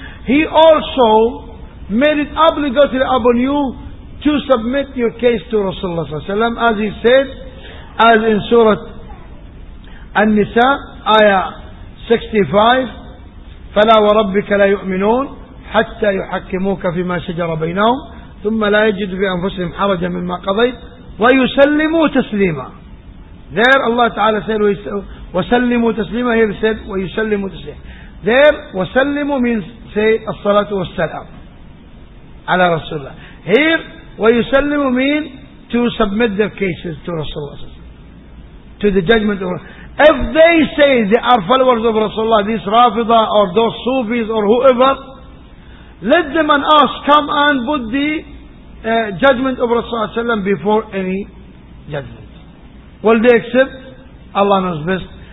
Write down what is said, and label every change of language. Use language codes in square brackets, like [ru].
[en] He also made it obligatory upon you to submit your case to Rasulullah sallallahu alayhi wa sallam, as he said, as in Surah An-Nisa, ayah 65, [ar] فَلَا وَرَبِّكَ لَا يُؤْمِنُونَ حَتَّى يُحَكِّمُوكَ فِي مَا شَجَرَ بَيْنَهُمْ ثم لا يجد في أنفسهم حرجا مما قضيت ويسلموا تسليما. [en] There Allah Ta'ala said [ar] وسلموا تسليما. [en] Here he said [ar] ويسلموا تسليما. [en] There وسلموا means say [ar] الصلاة والسلام على رسول الله. [en] Here ويسلموا mean to submit their cases to رسول الله, to the judgment of Allah. If they say they are followers of Rasulullah, these Rafida or those Sufis or whoever, let them and us come and put the judgment of Rasulullah ﷺ before any judgment. Will they accept? Allah knows best.